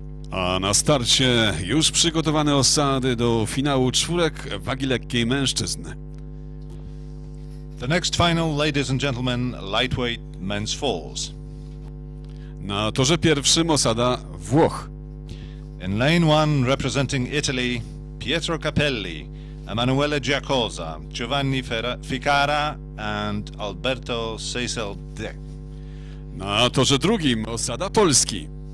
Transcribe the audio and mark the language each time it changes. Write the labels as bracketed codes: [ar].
[pl] A na starcie już przygotowane osady do finału czwórek wagi lekkiej mężczyzn. [en] The next final, ladies and gentlemen, lightweight men's fours. [pl] Na torze pierwszym osada Włoch. [en] In lane one, representing Italy, Pietro Capelli, Emanuele Giacosa, Giovanni Ficara and Alberto Cecil De. [pl] Na torze drugim osada Polski.